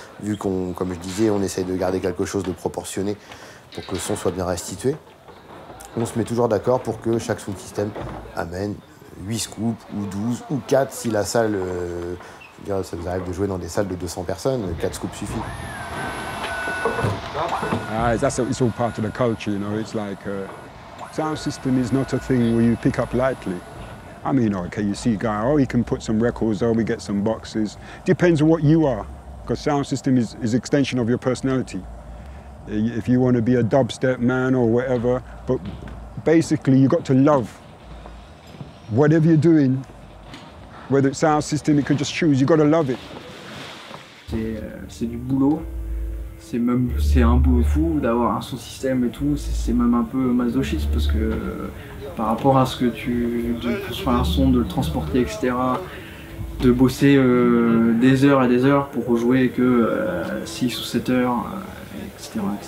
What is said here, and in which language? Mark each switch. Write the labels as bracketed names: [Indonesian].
[French] Vu qu'on, comme je disais, on essaye de garder quelque chose de proportionné pour que le son soit bien restitué, on se met toujours d'accord pour que chaque sound system amène 8 scoops ou 12 ou 4 si la salle... ça nous arrive de jouer dans des salles de 200 personnes, 4 scoops suffit. [English] It's all part of the culture, you know. It's like sound system is not a thing where you pick up lightly. I mean, okay, you see a guy, oh, he can put some records, oh, we get some boxes. Depends on what you are, because sound system is extension of your personality. If you want to be a dubstep man or whatever, but basically you got to love whatever you're doing, whether it's sound system, it could just choose, you got to love it. [French] C'est du boulot. C'est un peu fou d'avoir un son système et tout, c'est même un peu masochiste parce que par rapport à ce que tu construis un son, de le transporter, etc., de bosser des heures et des heures pour jouer que 6 ou 7 heures, etc.